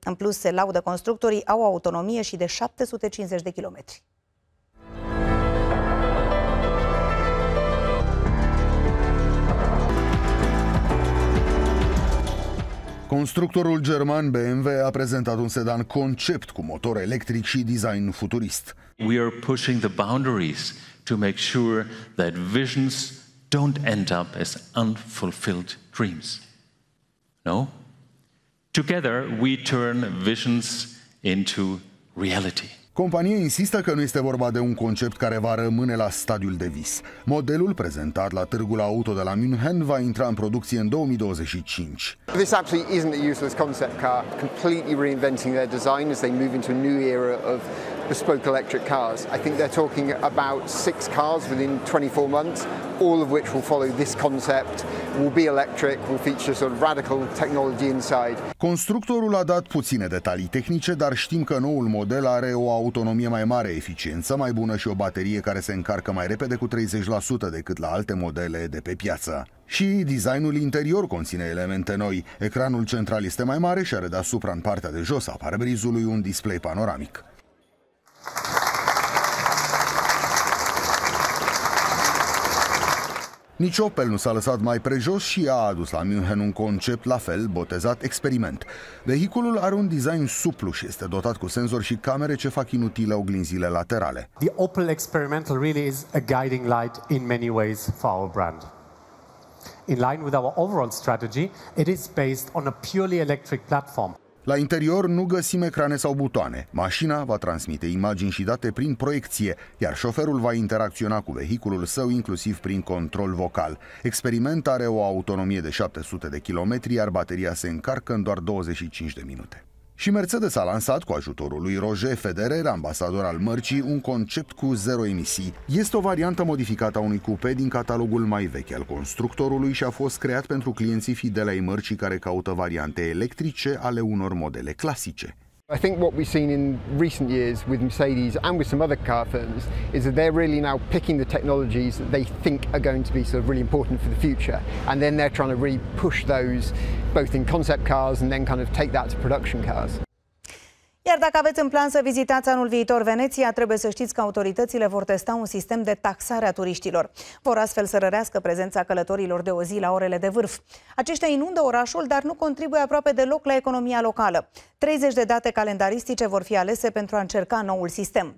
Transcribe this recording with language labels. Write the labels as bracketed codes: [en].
[ro] În plus, se laudă constructorii, au autonomie și de 750 de kilometri. Constructorul german BMW a prezentat un sedan concept cu motor electric și design futurist. [en] We are pushing the boundaries to make sure that visions don't end up as unfulfilled dreams. No? Together we turn visions into reality. [ro] Compania insistă că nu este vorba de un concept care va rămâne la stadiul de vis. Modelul prezentat la târgul auto de la München va intra în producție în 2025. [en] This actually isn't a useless concept car, completely reinventing their design as they move into a new era of bespoke electric cars. I think they're talking about 6 cars within 24 months, all of which will follow this concept, will be electric, will feature sort of radical technology inside. [ro] Constructorul a dat puține detalii tehnice, dar știm că noul model are o autonomie mai mare, eficiență mai bună și o baterie care se încarcă mai repede cu 30% decât la alte modele de pe piață. Și designul interior conține elemente noi. Ecranul central este mai mare și are deasupra, în partea de jos a parbrizului, un display panoramic. Nici Opel nu s-a lăsat mai prejos și a adus la München un concept la fel botezat experiment. Vehiculul are un design suplu și este dotat cu senzori și camere ce fac inutile oglinzile laterale. [en] The Opel Experimental really is a guiding light in many ways for our brand. In line with our overall strategy, it is based on a purely electric platform. [ro] La interior nu găsim ecrane sau butoane. Mașina va transmite imagini și date prin proiecție, iar șoferul va interacționa cu vehiculul său inclusiv prin control vocal. Experiment are o autonomie de 700 de kilometri, iar bateria se încarcă în doar 25 de minute. Și Mercedes a lansat, cu ajutorul lui Roger Federer, ambasador al mărcii, un concept cu zero emisii. Este o variantă modificată a unui cupe din catalogul mai vechi al constructorului și a fost creat pentru clienții fideli ai mărcii care caută variante electrice ale unor modele clasice. [en] I think what we've seen in recent years with Mercedes and with some other car firms is that they're really now picking the technologies that they think are going to be sort of really important for the future, and then they're trying to really push those both in concept cars and then kind of take that to production cars. [ro] Iar dacă aveți în plan să vizitați anul viitor Veneția, trebuie să știți că autoritățile vor testa un sistem de taxare a turiștilor. Vor astfel să rărească prezența călătorilor de o zi la orele de vârf. Aceștia inundă orașul, dar nu contribuie aproape deloc la economia locală. 30 de date calendaristice vor fi alese pentru a încerca noul sistem.